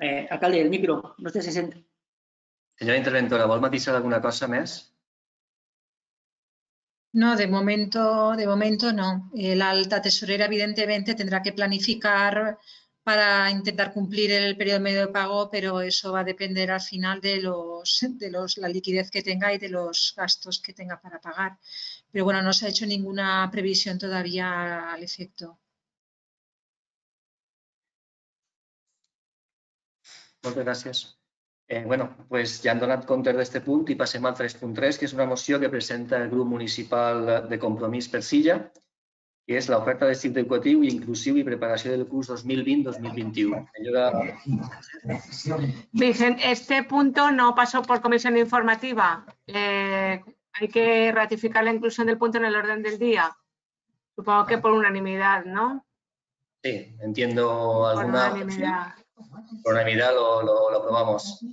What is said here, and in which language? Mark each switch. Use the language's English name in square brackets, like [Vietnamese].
[Catalan] Alcalde, el micro, no sé si se sent. Senyora interventora, vol matisar alguna cosa més? [Spanish] No, de momento no. La alta tesorera evidentemente tendrá que planificar para intentar cumplir el periodo medio de pago, pero eso va a depender al final de la liquidez que tenga y de los gastos que tenga para pagar. Pero bueno, no se ha hecho ninguna previsión todavía al efecto. Muchas gracias. [Catalan] Bueno, pues ja han donat compte d'aquest punt i passem al 3.3, que és una moció que presenta el grup municipal de Compromís per Silla, que és l'oferta de cicle educatiu i inclusiu i preparació del curs 2020-2021. [Spanish] Vicent, este punto no pasó por comisión informativa. hay que ratificar la inclusión del punto en el orden del día. Supongo que por unanimidad, ¿no? Sí, entiendo alguna. Por unanimidad. Sí, por unanimidad lo aprobamos.